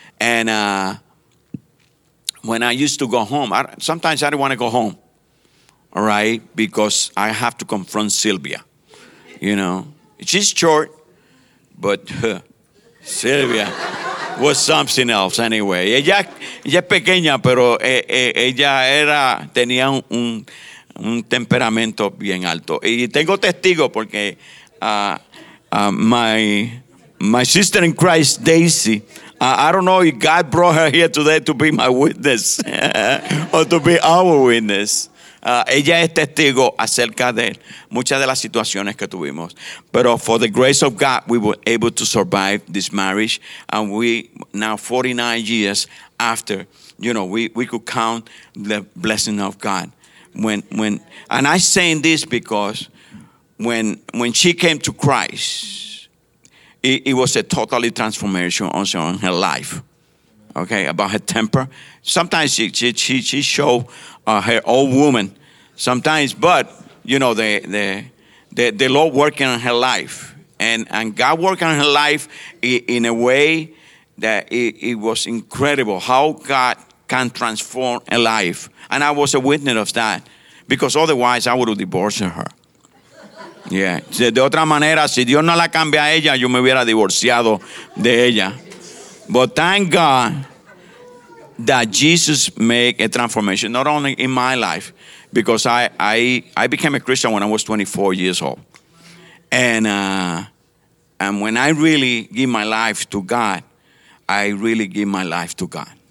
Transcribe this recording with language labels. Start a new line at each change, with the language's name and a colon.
English: And when I used to go home, sometimes I didn't want to go home. All right, because I have to confront Sylvia, you know. She's short, but Silvia was something else anyway.
Spanish: Ella es pequeña, pero ella era tenía un temperamento bien alto. Y tengo testigo porque
English: my sister in Christ, Daisy, I don't know if God brought her here today to be my witness or to be our witness.
Spanish: Ella es testigo acerca de muchas de las situaciones que tuvimos. Pero
English: for the grace of God, we were able to survive this marriage. And we now 49 years after, you know, we could count the blessing of God. When and I'm saying this because when she came to Christ, it was a totally transformation also in her life. Okay, about her temper. Sometimes she showed her old woman. Sometimes, but you know the Lord working on her life, and God working on her life in a way that it was incredible how God can transform a life. And I was a witness of that, because otherwise I would have divorced her.
Spanish: Yeah. De otra manera, si Dios no la cambia a ella, yo me hubiera divorciado de ella.
English: But thank God that Jesus made a transformation, not only in my life, because I became a Christian when I was 24 years old. And when I really give my life to God, I really give my life to God.